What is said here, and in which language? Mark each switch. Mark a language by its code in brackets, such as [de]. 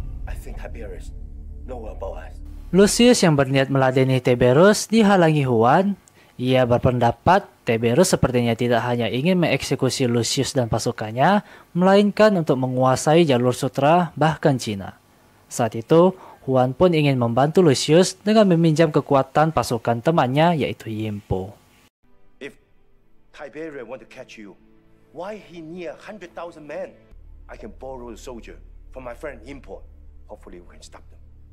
[en] I think Tiberius knows about us. [id] Lucius yang berniat meladeni Tiberius dihalangi Juan. Ia berpendapat Tiberius sepertinya tidak hanya ingin mengeksekusi Lucius dan pasukannya, melainkan untuk menguasai jalur sutra bahkan Cina. Saat itu, Juan pun ingin membantu Lucius dengan meminjam kekuatan pasukan temannya yaitu Yimpo. [en] If Tiberius want to catch you, why he need 100,000 men? I can borrow a soldier from my friend Yimpo. Hopefully we can stop them.